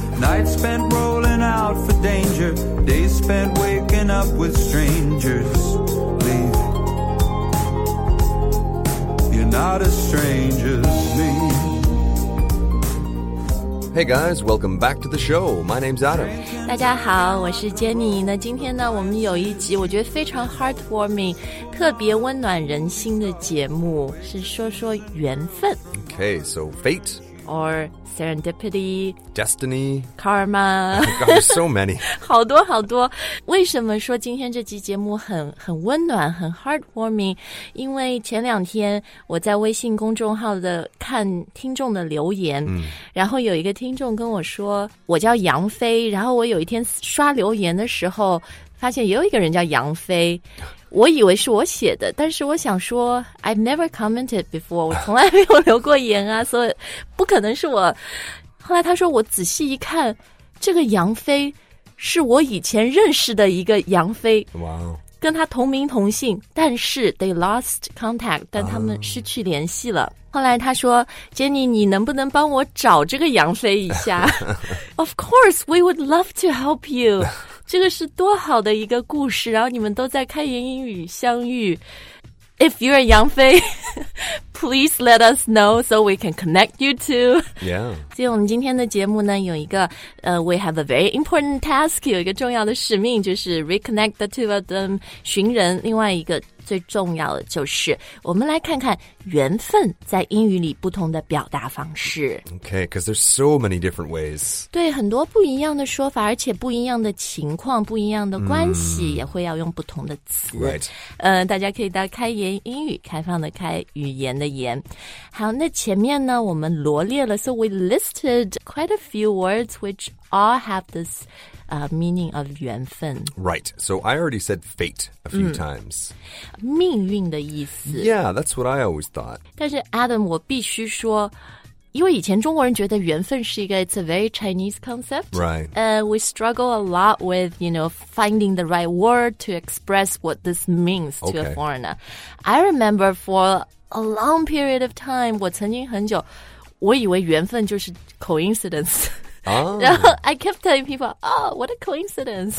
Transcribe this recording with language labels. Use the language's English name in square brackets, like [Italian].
[English] Nights spent rolling out for danger, days spent waking up with strangers. Leave. You're not a stranger to me. Hey guys, welcome back to the show. My name's Adam. [Chinese] 大家好，我是 Jenny。那今天呢，我们有一集我觉得非常 heartwarming， 特别温暖人心的节目，是说说缘分。 [English] Okay, so fate or serendipity, destiny, karma. God, there's so many. [Chinese] 好多好多。为什么说今天这期节目很温暖，很 heartwarming？因为前两天我在微信公众号的看听众的留言，然后有一个听众跟我说，我叫杨飞，然后我有一天刷留言的时候，发现也有一个人叫杨飞。我以为是我写的，但是我想说 [English] I've never commented before， [Chinese] 我从来没有留过言啊，所以不可能是我。后来他说我仔细一看，这个杨飞是我以前认识的一个杨飞，跟他同名同姓，但是 [English] they lost contact， [Chinese] 但他们失去联系了。后来他说 Jenny， 你能不能帮我找这个杨飞一下？ [English] Of course we would love to help you。 [Chinese] 这个是多好的一个故事，然后你们都在开言英语相遇。 [English] If you're a 杨飞 please let us know so we can connect you too. Yeah. [Chinese] 所以我们今天的节目呢，有一个 [English] we have a very important task， [Chinese] 有一个重要的使命，就是 [English] reconnect the two of them， [Chinese] 寻人。另外一个最重要的就是我们来看看缘分在英语里不同的表达方式。 [English] Okay, because there's so many different ways. [Chinese] 对，很多不一样的说法，而且不一样的情况，不一样的关系，也会要用不同的词。 [English] Right. [Chinese] 大家可以到开言英语，开放的开，语言的言。好，那前面呢，我们罗列了， [English] so we listed quite a few words which all have this meaning of 缘分。 Right, so I already said fate a few times. [Chinese] 命运的意思。 [English] Yeah, that's what I always thought. [Chinese] 但是 Adam, 我必须说，因为以前中国人觉得缘分是一个 [English] it's a very Chinese concept. Right. We struggle a lot with, you know, finding the right word to express what this means to a foreigner. I remember for a long period of time, [Chinese] 我曾经很久，我以为缘分就是 [English] coincidence。 I kept telling people, oh, what a coincidence.